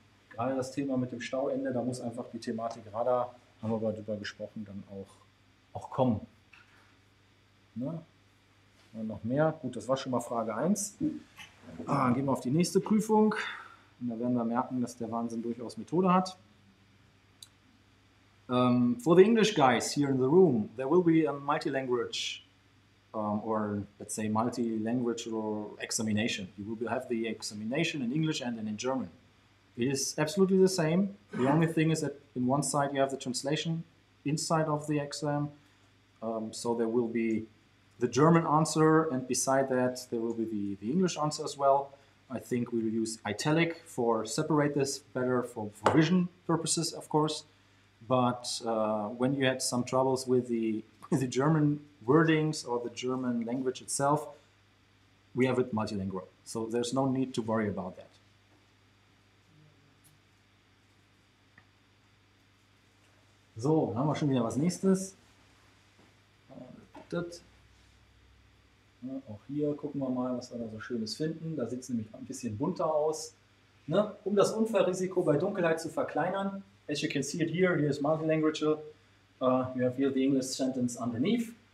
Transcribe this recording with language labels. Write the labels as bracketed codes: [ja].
[de] Gerade das Thema mit dem Stauende, da muss einfach die Thematik Radar, haben wir aber darüber gesprochen, dann auch kommen. Ne? Und noch mehr? Gut, das war schon mal Frage 1. Gehen wir auf die nächste Prüfung. Und da werden wir merken, dass der Wahnsinn durchaus Methode hat. [en] For the English guys here in the room, there will be a multi-language or let's say multi-lingual examination. You will have the examination in English and then in German. It is absolutely the same. The only thing is that in one side you have the translation inside of the exam. So there will be the German answer, and beside that there will be the English answer as well. I think we will use italic for separate this better for vision purposes, of course. But when you had some troubles with the German wordings or the German language itself, we have it multilingual. So there's no need to worry about that. [de] So, dann haben wir schon wieder was Nächstes. Auch hier gucken wir mal, was wir da so Schönes finden. Da sieht es nämlich ein bisschen bunter aus. Ne? Um das Unfallrisiko bei Dunkelheit zu verkleinern, [en] as you can see it here, here is multilingual, you have here the English sentence underneath.